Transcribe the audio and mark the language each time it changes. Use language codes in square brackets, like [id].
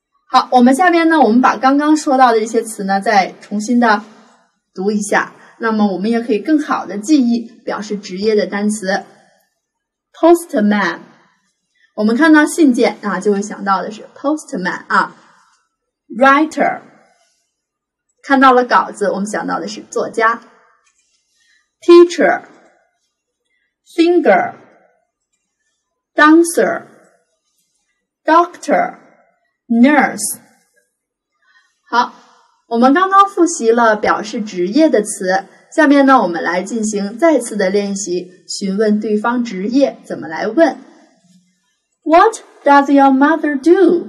[zh] 好，我们下边呢，我们把刚刚说到的这些词呢再重新的读一下，那么我们也可以更好的记忆表示职业的单词。 postman, 我们看到信件啊就会想到的是 postman 啊 ,writer,看到了稿子，我们想到的是作家。 [en] Teacher, singer, dancer, doctor, nurse. [zh] 好，我们刚刚复习了表示职业的词，下面呢，我们来进行再次的练习，询问对方职业，怎么来问。 [en] What does your mother do?